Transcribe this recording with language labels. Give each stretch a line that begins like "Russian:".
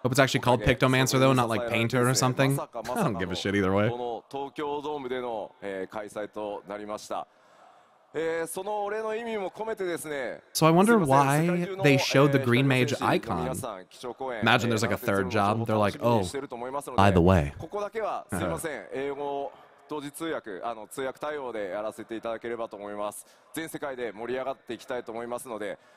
English: Hope it's actually called Pyromancer though, not like Painter or something. I don't give a shit either way.
Japanese: この東京ドームでの開催となりました。そのお礼の意味も込めてですね。
English: So I wonder why they showed the Green Mage icon. Imagine there's like a third job. They're like, oh, by the way.
Japanese: ここだけはすみません。英語同時通訳、通訳対応でやらせていただければと思います。全世界で盛り上がっていきたいと思いますので。